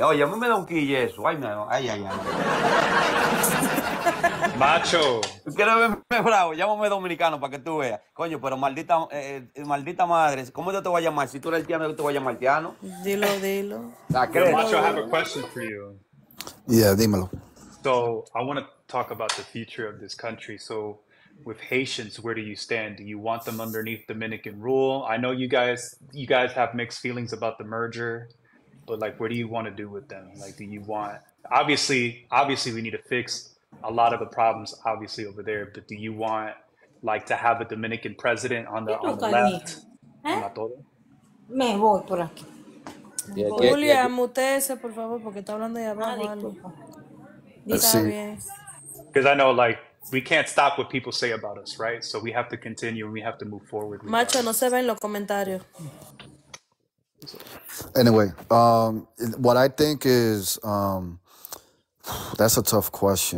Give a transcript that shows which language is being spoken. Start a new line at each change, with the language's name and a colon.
Spanish: Oye, a mí me da un quille eso. Ay, no, ay, ay, ay. Macho. ¿Tú quieres verme bravo? Llámame dominicano para que tú veas. Coño, pero maldita madre, ¿cómo yo te voy a llamar? Si tú eres haitiano, yo te voy a llamar haitiano. Dilo, dilo. ¿La Yo, crees?
English: Macho, I have a question for you. Yeah,
Spanish: dímelo.
English: So, I want to talk about the future of this country. So, with Haitians, where do you stand? Do you want them underneath Dominican rule? I know you guys have mixed feelings about the merger, but like, what do you want to do with them? Like, do you want, obviously, we need to fix a lot of the problems obviously over there, but do you want like to have a Dominican president on the left? ¿Eh?
Spanish: La todo. Me voy por aquí. Y aquí, Julia, mutese, por favor, porque está hablando de abajo algo. Disculpa. Está bien.
English: Because I know like we can't stop what people say about us, right? So we have to continue and we have to move forward
Spanish: Macho, no se
English: regardless.
Spanish: ven los comentarios.
English: Anyway, what I think is, that's a tough question.